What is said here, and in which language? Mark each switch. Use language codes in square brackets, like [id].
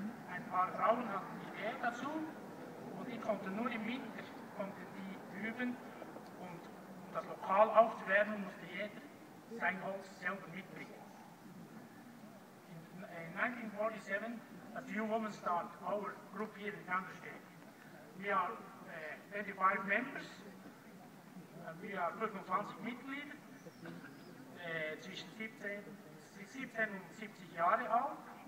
[de] Ein paar Frauen hatten die Idee dazu und die konnten nur im Winter konnten die üben. Und um das Lokal aufzuwärmen, musste jeder sein Holz selber mitbringen. [en] In 1947, a few women started our group here in Kantersteg. [de] Wir haben 25 members, wir haben 25 Mitglieder, zwischen 17 und 70 Jahre alt.